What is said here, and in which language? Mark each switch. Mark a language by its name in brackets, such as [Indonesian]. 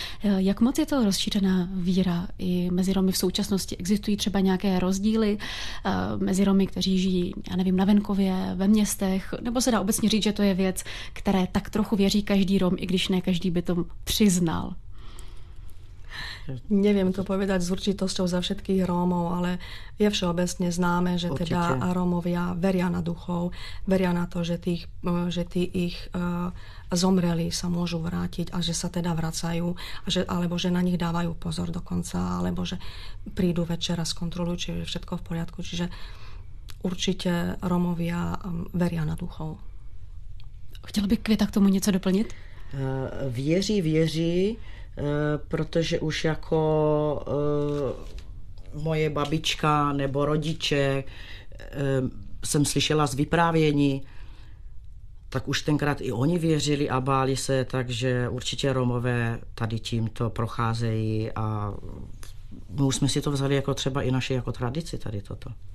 [Czech] Jak moc je to rozšířená víra i mezi Romy v současnosti? Existují třeba nějaké rozdíly mezi Romy, kteří žijí, já nevím, na venkově, ve městech, nebo se dá obecně říct, že to je věc, které tak trochu věří každý Rom, i když ne každý by to přiznal? [Slovak] Neviem to povedať s určitosťou za všetkých Rómov, ale je všeobecne známe, že určite teda Rómovia veria na duchov, veria na to, že tí ich zomreli sa môžu vrátiť a že sa teda vracajú, alebo že na nich dávajú pozor dokonca, alebo že prídu večera, skontrolujú, či je všetko v poriadku. Čiže určite Rómovia veria na duchov. [Czech] Chtěla by Květa k tomu něco doplnit? Věří, protože už jako moje babička nebo rodiče jsem slyšela z vyprávění, tak už tenkrát i oni věřili a báli se, takže určitě Romové tady tímto procházejí a my už jsme si to vzali jako třeba i naše jako tradici tady toto.